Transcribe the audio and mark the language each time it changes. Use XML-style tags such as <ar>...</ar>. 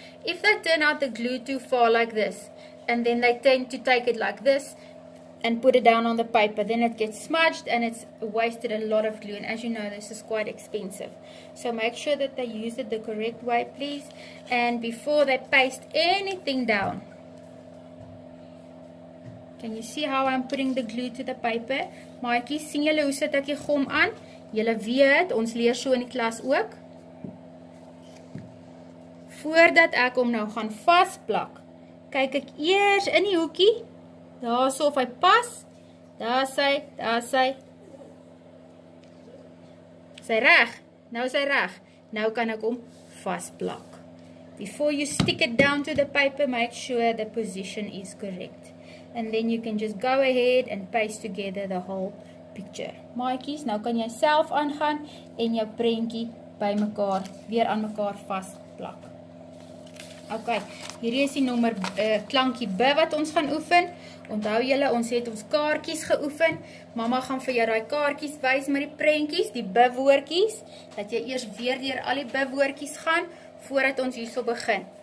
<en>If they turn out the glue too far like this and then they tend to take it like this and put it down on the paper, then it gets smudged and it's wasted a lot of glue. And as you know, this is quite expensive. So make sure that they use it the correct way, please. And before they paste anything down. Can you see how I'm putting the glue to the paper?</en> <af>Maatjie, sien julle hoe sit ek die gom aan? Julle weet, ons leer so in die klas ook. voordat ek hom nou gaan vastplak, kyk ek eers in die hoekie, daar so of hy pas, daar is hy, sy reg, nou is hy reg, nou kan ek hom vastplak.</af> <en>Before you stick it down to the paper, make sure the position is correct. And then you can just go ahead and paste together the whole picture.</en> <af>Maatjies, nou kan jy self aangaan en jou prentjie by mekaar, weer aan mekaar vastplak. Ok, hier is die nommer klankie B wat ons gaan oefen. Onthou julle, ons het ons kaartjies geoefen. Mama gaan vir jou die kaartjies wys met die prentjies, die B-woordjies, dat jy eers weer deur al die B-woordjies gaan, voordat ons hierso begin.</af>